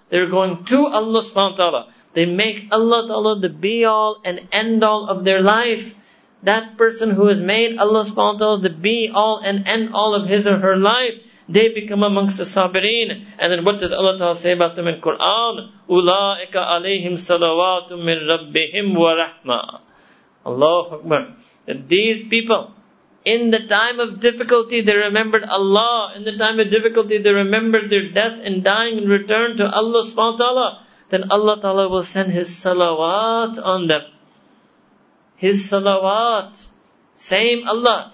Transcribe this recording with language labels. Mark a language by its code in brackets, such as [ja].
[en] They are going to Allah subhanahu wa ta'ala. They make Allah ta'ala the be-all and end-all of their life. That person who has made Allah subhanahu wa ta'ala the be-all and end-all of his or her life, they become amongst the sabireen. And then what does Allah Ta'ala say about them in Quran? [ar] أُولَٰئِكَ عَلَيْهِمْ صَلَوَاتٌ مِّن رَبِّهِمْ وَرَحْمَةٌ [en] Allahu Akbar. That these people, in the time of difficulty, they remembered Allah. In the time of difficulty, they remembered their death and dying and returned to Allah subhanahu wa ta'ala. Then Allah Ta'ala will send His salawat on them. His salawat. Same Allah.